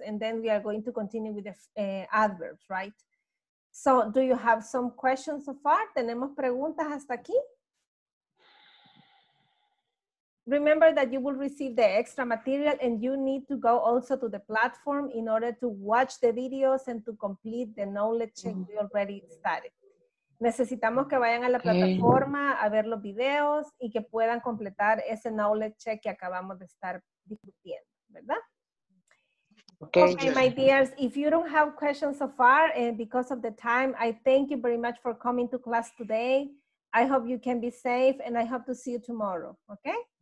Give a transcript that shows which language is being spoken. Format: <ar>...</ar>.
<en>And then we are going to continue with the adverbs, right? So do you have some questions so far?</en> <es>¿Tenemos preguntas hasta aquí?</es> <en>Remember that you will receive the extra material and you need to go also to the platform in order to watch the videos and to complete the knowledge check we already started.</en> <es>Necesitamos que vayan a la plataforma a ver los videos y que puedan completar ese knowledge check que acabamos de estar discutiendo, ¿verdad?</es> <en>Okay, my dears, if you don't have questions so far and because of the time, I thank you very much for coming to class today. I hope you can be safe and I hope to see you tomorrow, okay?</en>